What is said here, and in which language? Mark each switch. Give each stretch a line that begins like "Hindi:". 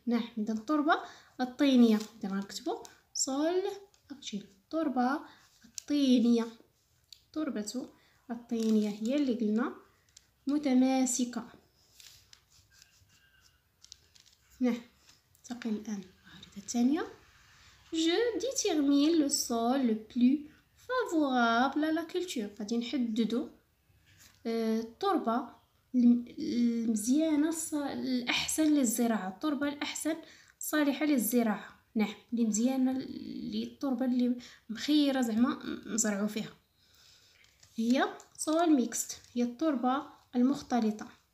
Arabic: نعم، اذا التربه الطينيه، اذا نكتبوا سول ارجيل، التربه الطينيه، تربته الطينيه هي اللي قلنا متماسكه. نعم، ننتقل الان للعريضه الثانيه.
French: Je détermine le sol le plus favorable à la culture.
Arabic: غادي نحددوا التربه المزيانه الاحسن للزراعه، التربه الاحسن صالحه للزراعه. نعم، اللي مزيانه، اللي التربه اللي مخيره زعما نزرعوا فيها، هي سول ميكست، هي التربه المختلطه.